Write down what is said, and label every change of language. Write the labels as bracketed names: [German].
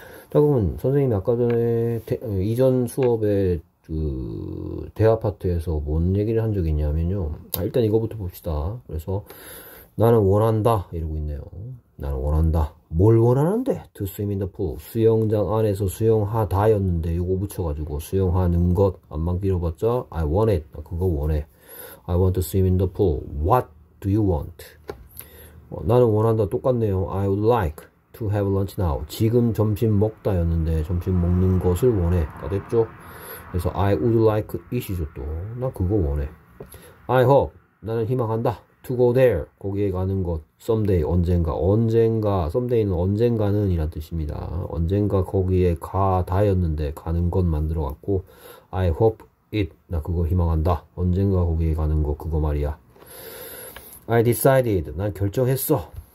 [Korean] 자, 그러면 선생님이 아까 전에 이전 수업에 그 대화 파트에서 뭔 얘기를 한 적이 있냐면요. 아, 일단 이거부터 봅시다. 그래서 나는 원한다 이러고 있네요. 나는 원한다. 뭘 원하는데? [English] To swim in the pool. [Korean] 수영장 안에서 수영하다였는데 이거 붙여가지고 수영하는 것 안만 길어봤자 [English] I want it. [Korean] 그거 원해. [English] I want to swim in the pool. What do you want? [Korean] 나는 원한다. 똑같네요. [English] I would like to have lunch now. [Korean] 지금 점심 먹다였는데 점심 먹는 것을 원해. 다 됐죠? 그래서 [English] I would like it이죠 또. [Korean] 나 그거 원해. [English] I hope [Korean] 나는 희망한다. [English] To go there [Korean] 거기에 가는 것. Someday 언젠가 언젠가 someday는 언젠가는 이란 뜻입니다. 언젠가 거기에 가 다였는데 가는 것 만들어 갖고 [English] I hope it [Korean] 나 그거 희망한다. 언젠가 거기에 가는 것 그거 말이야. [English] I decided [Korean] 난 결정했어.